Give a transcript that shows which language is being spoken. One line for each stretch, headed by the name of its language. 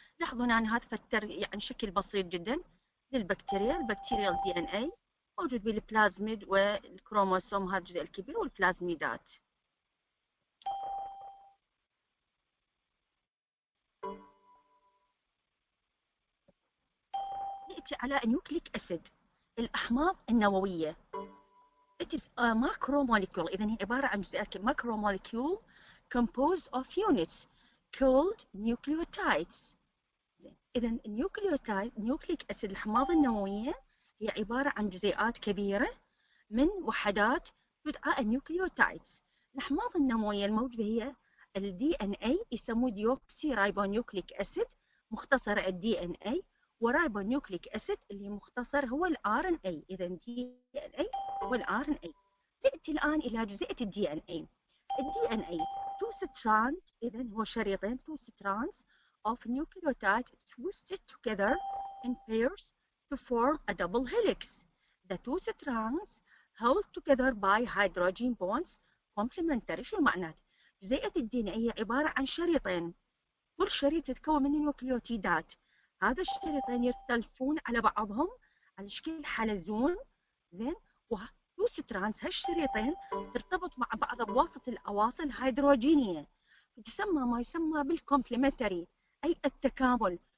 Arabic: لاحظوا أن هذا فتر يعني شكل بسيط جدا للبكتيريا، البكتيريال دي ان اي موجود بالبلازميد والكروموسوم هذا الجزء الكبير والبلازميدات. على النيوكليك أسيد الأحماض النووية.
English: It is a macromolecule.
Arabic: إذن هي عبارة عن جزيئات
English: macromolecule composed of units called nucleotides.
Arabic: إذن النيوكليوتيد نيوكليك أسيد الأحماض النووية هي عبارة عن جزيئات كبيرة من وحدات تدعى النيوكليوتيدز. الأحماض النووية الموجودة هي الـ DNA يسموه ديوكسي ريبونيوكليك أسيد، مختصر الـ DNA، ورايبونيوكليك أسيد اللي مختصر هو الـ RNA. إذن DNA والـ RNA. نأتي الآن إلى جزيئة الـ DNA.
English: الـ DNA two strand،
Arabic: إذن هو شريطين
English: two strands of nucleotides twisted together in pairs to form a double helix. The two strands held together by hydrogen bonds complementary.
Arabic: شو معناته؟ جزيئة الدي إن إيه عبارة عن شريطين، كل شريط يتكون من النوكليوتيدات، هذا الشريطين يرتلفون على بعضهم على شكل حلزون، زين؟ و تو سترانز هالشريطين ترتبط مع بعض بواسطة الأواصل الهيدروجينية، تسمى ما يسمى بالكومبلمنتري أي التكامل.